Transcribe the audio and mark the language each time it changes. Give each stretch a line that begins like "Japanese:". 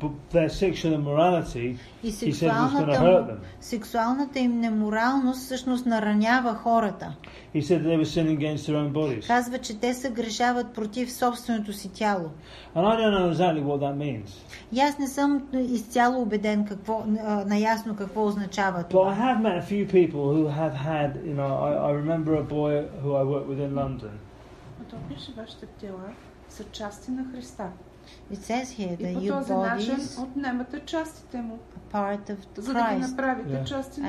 English: Their sexual immorality, he said, was going to hurt them.
Bulgarian: Сексуалната им неморалност всъщност наранява хората.
English: He said they were sinning against their own bodies.
Bulgarian: Казва, че те съгрешават против собственото си тяло.
English: And I don't know exactly what that means.
Bulgarian: И аз не съм изцяло убеден какво, наясно какво означава това.
English: But I have met a few people who have had, you know, I remember a boy who I worked with in London.
Bulgarian: А то пише, вашите тела са части на Христа.
English: It says here that your bodies
Bulgarian: отнемате частите му,
English: a part of Christ,
Bulgarian: за да ги направите части на